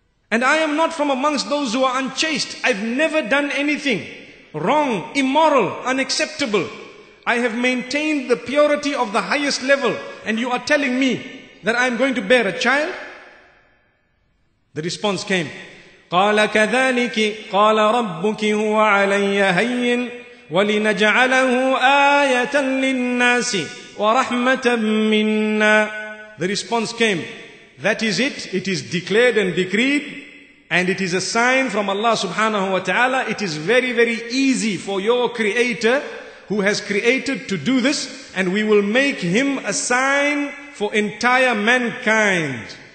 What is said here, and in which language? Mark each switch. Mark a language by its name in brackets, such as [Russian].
[English] And I am not from amongst those who are unchaste. I've never done anything wrong, immoral, unacceptable. I have maintained the purity of the highest level. And you are telling me that I am going to bear a child? The response came. [Arabic] قَالَ كَذَلِكِ قَالَ رَبُّكِ هُوَ عَلَيَّ هَيِّنْ وَلِنَجْعَلَهُ آيَةً لِلنَّاسِ وَرَحْمَةً مِنَّا [English] The response came. That is it. It is declared and decreed. And it is a sign from Allah subhanahu wa ta'ala. It is very, very easy for your creator who has created to do this. And we will make him a sign for entire mankind.